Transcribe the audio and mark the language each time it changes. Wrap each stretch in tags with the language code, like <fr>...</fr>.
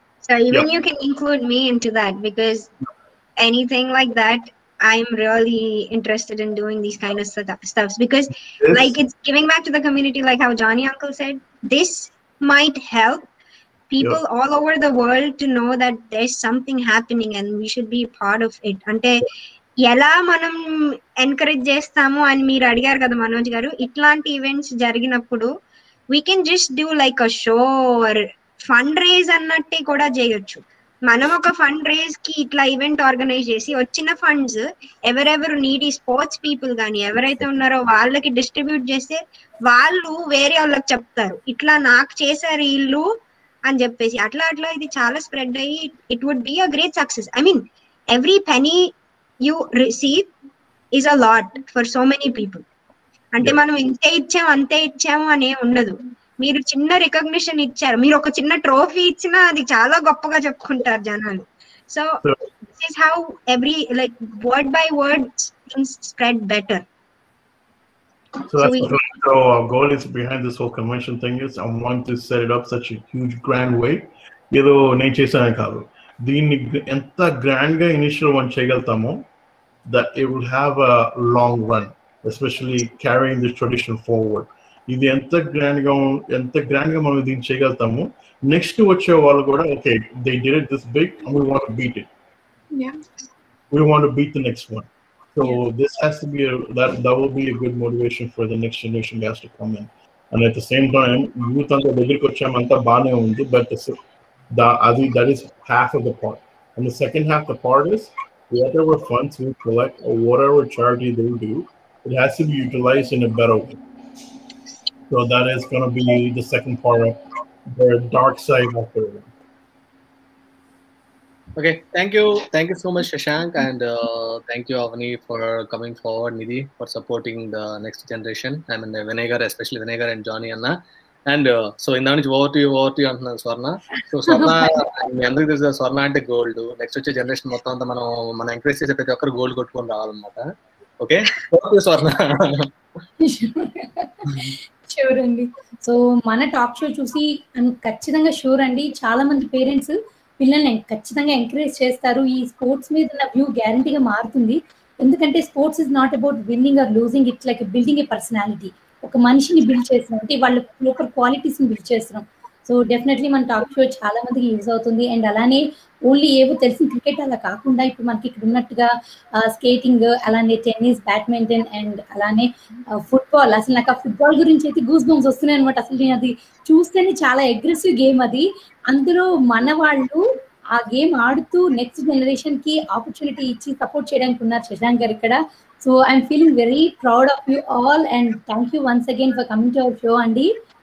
<en>So even you can include me into that, because anything like that, I'm really interested in doing these kind of stuff. Because like it's giving back to the community, like how Johnny Uncle said, this might help people all over the world to know that there's something happening and we should be part of it.</en> <te>Until ఎలా మనం encourage చేస్తాము అని మీరు అడిగారు కదా మనోజ్ గారు, ఇట్లాంటి events జరిగినప్పుడు</te> <en>we can just do like a show or fund raise</en> <te>అన్నట్టే కూడా చేయొచ్చు. మనం ఒక ఫండ్ రేజ్ కి ఇట్లా ఈవెంట్ ఆర్గనైజ్ చేసి వచ్చిన ఫండ్స్ ఎవరెవరు నీడీ స్పోర్ట్స్ పీపుల్ కానీ ఎవరైతే ఉన్నారో వాళ్ళకి డిస్ట్రిబ్యూట్ చేస్తే వాళ్ళు వేరే వాళ్ళకి చెప్తారు ఇట్లా నాకు చేశారు వీళ్ళు అని చెప్పేసి. అట్లా ఇది చాలా స్ప్రెడ్ అయ్యి</te> <en>It would be a great success. I mean every penny you receive is a lot for so many people.</en> <te>Ante manam inte ichcham ante ichcham ane undadu, మీరు చిన్న రికగ్నిషన్ ఇచ్చారు, మీరు ఒక చిన్న ట్రోఫీ ఇచ్చినా అది చాలా గొప్పగా చెప్పుకుంటారు జనాలు.</te> <en>So this is how every like word by word things spread better. So our goal is behind this whole convention thing is I want to set it up such a huge grand way.</en> <te>ఏదో నేను చేశానే కాదు, దీన్ని ఎంత grand గా initial one చేయగలుగుతామో</te> <en>That it will have a long run, especially carrying this tradition forward.</en> <te>ఇది ఎంత grand గా మనం దీన్ని చేయగలుగుతాము, నెక్స్ట్ వచ్చే వాళ్ళు కూడా</te> <en>Okay they did it this big and we want to beat it, we want beat the next one. So this has to be that will be a good motivation for the next generation has to come in.</en> <te>And at the same time youth అంతా దగ్గరికి వచ్చామంతా బాగానే ఉంది,</te> <en>But that is half of the part. And the second half of the part is whatever funds we collect or whatever charity they do, it has to be utilized in a better way. So that is going to be the second part of the dark side of the world. Okay, thank you. Thank you so much, Shashank. And thank you, Avani, for coming forward, Nidhi, for supporting the next generation. I mean, Vinegar, especially Vinegar and Johnny Anna.</en> <te>And so ఇందా నుంచి</te> <en>over to you</en> <te>అంటున్నాను స్వర్ణ. So స్వర్ణ ఎందుకు తెలుసు, స్వర్ణ అంటే gold. Next వచ్చే generation మొత్తం అంతా మనం ఎంకరేజ్ చేసే ప్రతి ఒక్కరు గోల్డ్ కొట్టుకొని రావాలన్నమాట. ఓకే స్వర్ణ చూడండి, సో మన టాక్ షో చూసి ఖచ్చితంగా షూర్ అండి, చాలా మంది పేరెంట్స్ పిల్లల్ని ఖచ్చితంగా ఎంకరేజ్ చేస్తారు. ఈ స్పోర్ట్స్ మీద నా వ్యూ గ్యారంటీగా మారుతుంది, ఎందుకంటే</te> <en>Sports is not about winning or losing, it like building a personality.</en> <te>ఒక మనిషిని బిల్డ్ చేస్తున్నాం అంటే వాళ్ళ లోపల క్వాలిటీస్ ని బిల్డ్ చేస్తున్నాం. సో డెఫినెట్లీ మన టాక్ షో చాలా మందికి యూజ్ అవుతుంది. అండ్ అలానే ఓన్లీ ఏవో తెలిసిన క్రికెట్ అలా కాకుండా ఇప్పుడు మనకి ఇక్కడ ఉన్నట్టుగా స్కేటింగ్, అలానే టెన్నిస్, బ్యాడ్మింటన్, అండ్ అలానే ఫుట్బాల్. అసలు నాకు ఆ ఫుట్బాల్ గురించి అయితే గూస్ బంప్స్ వస్తున్నాయి అనమాట. అసలు నేను అది చూస్తేనే చాలా అగ్రెసివ్ గేమ్ అది. అందులో మన వాళ్ళు ఆ గేమ్ ఆడుతూ నెక్స్ట్ జనరేషన్ కి ఆపర్చునిటీ ఇచ్చి సపోర్ట్ చేయడానికి ఉన్నారు శశాంక్ గారు ఇక్కడ.</te> <en>So I'm feeling very proud of you all and thank you once again for coming to our show, Andy.</en>